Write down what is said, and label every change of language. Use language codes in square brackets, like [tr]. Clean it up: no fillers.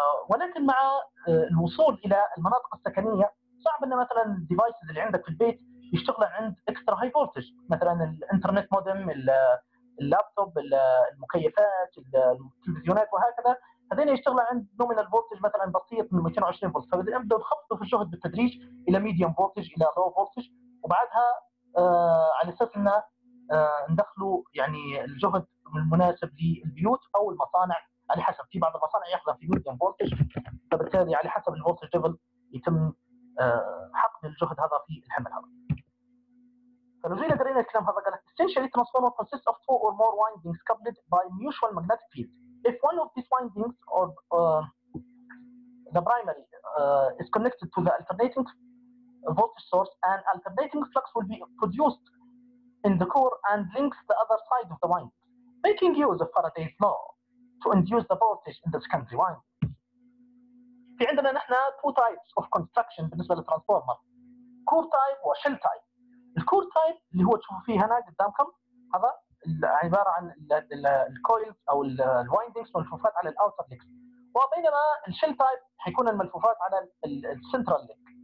[ar] ولكن مع الوصول الى المناطق السكنيه صعب ان مثلا الديفايسز اللي عندك في البيت يشتغل عند اكسترا هاي فولتج مثلا الانترنت مودم اللابتوب المكيفات التلفزيونات وهكذا هذين يشتغل عند نومينال فولتج مثلا بسيط من 220 فولت فبدهم يخفضوا في الجهد بالتدريج الى ميديوم فولتج الى لو فولتج وبعدها على اساس ان ندخلوا يعني الجهد المناسب للبيوت او المصانع على حسب في بعض المصانع يحظى في ميديوم فولتج فبالتالي على حسب الفولتج ليفل يتم حقن الجهد هذا في الحمل هذا. فلوزينا قرينا الكلام هذا قال [en] essentially transformer consists of two or more windings coupled by mutual magnetic field if one of these windings or the primary is connected to the alternating voltage source an alternating flux will be produced in the core and links the other side of the wind making use of Faraday's law to induce the voltage in the secondary wind. [ar] في عندنا نحن [en] two types of construction [ar] بالنسبة للترانسفورمر. الكور تايب وشيل تايب. الكور تايب اللي هو تشوفوا فيه هنا قدامكم هذا عبارة عن الكويلز أو الويندينجز والملفوفات على الأوتر ليك، وبينما الشيل تايب حيكون الملفوفات على السنترال ليك.